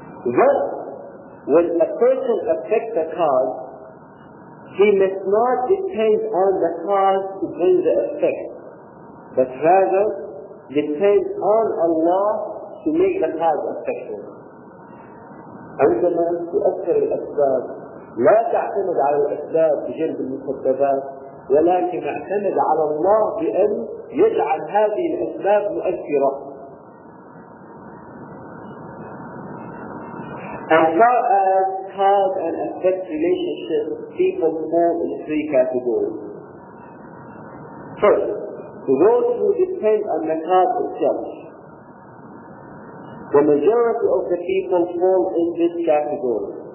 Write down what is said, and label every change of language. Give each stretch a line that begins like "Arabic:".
English: But when a person affects the cause, he must not depend on the cause to bring the effect, but rather depend on Allah to make the cause effective.
Arabic: عندما تؤثر الأسباب لا تعتمد على الأسباب بجلب المسببات ولكن اعتمد على الله بأن يجعل هذه الأسباب مؤثرة.
English: As far as cause and effect relationship, people fall in three categories. First, those who depend on the cause itself. The majority of the people fall in this category.